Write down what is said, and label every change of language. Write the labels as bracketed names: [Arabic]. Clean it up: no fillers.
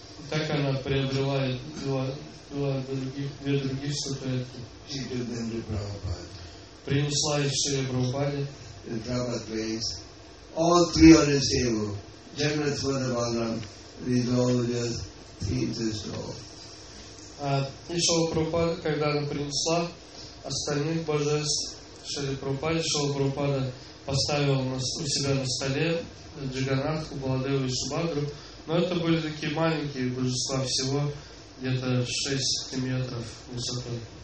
[Russian] Так она приобрела две других статуэтки. Принесла их в Шриле Прабхупаде. [English] And Prabhupada placed all three on his table. Jagannath Subhadra Balaram, these all just seems as tall. [Russian] И Шрила Прабхупада, когда она принесла остальных божеств Шриле Прабхупаде, Шрила Прабхупада поставил у себя на столе Джаганатху, Баладеву и Субхадру. Но это были такие маленькие божества, всего где-то 6 сантиметров высотой.